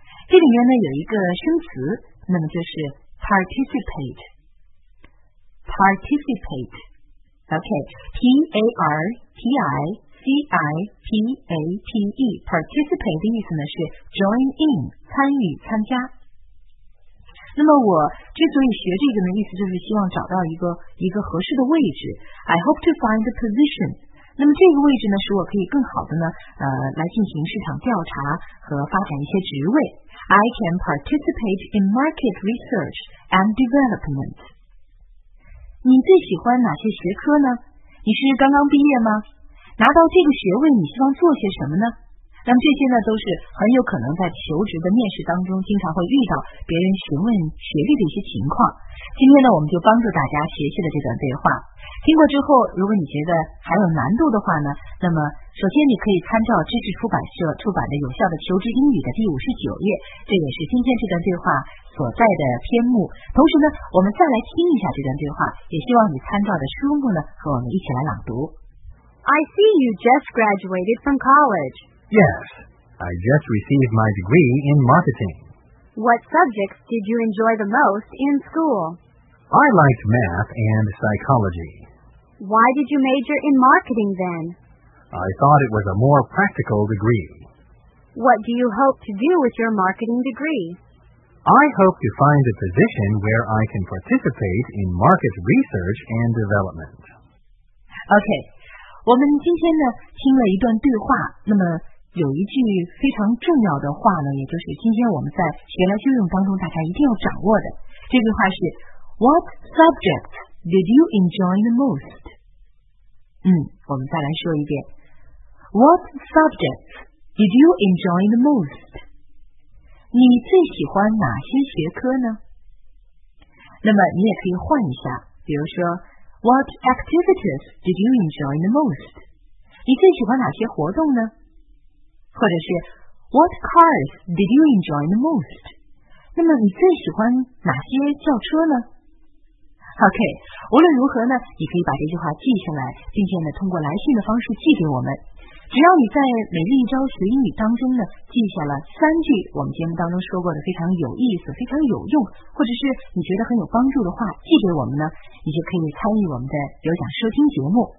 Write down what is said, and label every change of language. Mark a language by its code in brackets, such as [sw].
[zh] 这里面呢有一个生词，那么就是 participate， participate， OK， P-A-R-T-I-C-I-P-A-T-E， participate 的意思呢是 join in，参与参加。那么我之所以学这个呢意思就是希望找到一个合适的位置， I hope to find a position。那么这个位置呢使我可以更好的呢来进行市场调查和发展一些职位。 [en] I can participate in market research and development. [zh] 你最喜欢哪些学科呢？你是刚刚毕业吗？拿到这个学位你希望做些什么呢？那么这些呢都是很有可能在求职的面试当中经常会遇到别人询问学历的一些情况。今天呢我们就帮助大家学习了这段对话，听过之后如果你觉得还有难度的话呢，那么首先你可以参照知识出版社出版的有效的求职英语的第59页，这也是今天这段对话所在的篇目。同时呢我们再来听一下这段对话，也希望你参照的书目呢和我们一起来朗读。 [en] I see you just graduated from college. Yes, I just received my degree in marketing. What subjects did you enjoy the most in school? I liked math and psychology. Why did you major in marketing then? I thought it was a more practical degree. What do you hope to do with your marketing degree? I hope to find a position where I can participate in market research and development. [zh] OK, 我们今天呢听了一段对话，那么有一句非常重要的话呢，也就是今天我们在学来修用当中大家一定要掌握的。 [en] 这句话是 What subject did you enjoy the most? [zh] 我们再来说一遍。 [en] What subject did you enjoy the most? [zh] 你最喜欢哪些学科呢？那么你也可以换一下，比如说 What activities did you enjoy the most? 你最喜欢哪些活动呢？ [en] 或者是 What cars did you enjoy the most? [zh] 那么你最喜欢哪些轿车呢？OK, 无论如何呢，你可以把这句话记下来，并且呢通过来信的方式寄给我们。只要你在每日一招学英语当中呢记下了三句我们节目当中说过的非常有意思非常有用或者是你觉得很有帮助的话寄给我们呢，你就可以参与我们的有奖收听节目。